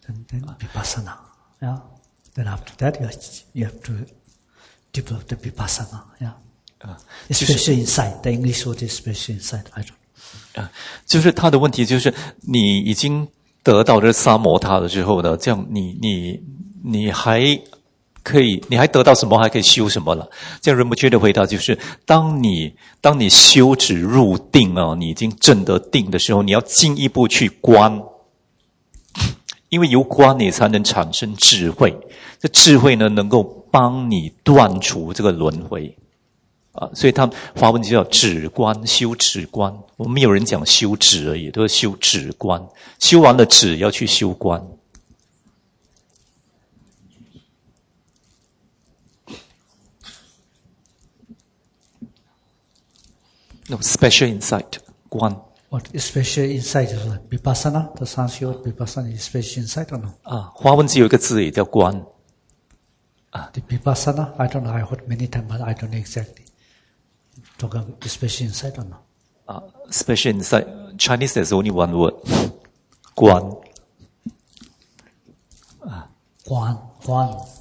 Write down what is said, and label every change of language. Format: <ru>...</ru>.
<en>Vipassana. Yeah. Then after that, you have to develop the vipassana. Yeah. Especially inside. The English word is especially inside. I don't know.</en> <zh>就是他的问题就是你已经得到了沙摩他了之后呢，这样你还可以，你还得到什么，还可以修什么了。这样人不觉得回答就是，当你修止入定啊，你已经证得定的时候，你要进一步去观。因为由观你才能产生智慧，这智慧呢能够帮你断除这个轮回啊，所以他华文就叫止观，修止观。我们有人讲修止而已，都是修止观，修完了止要去修观。</zh> <en>No special insight， 观。 What special insight is that? Vipassana? The Sanskrit Vipassana is special insight or no?</en> <zh>啊，花文字有一个字也叫观。</zh> <en>啊 ，the Vipassana, I don't know. I heard many times, but I don't know exactly. Talk about special insight or no? 啊 ，special insight. Chinese there's only one word. 观。</en> <zh>啊，观观。</zh>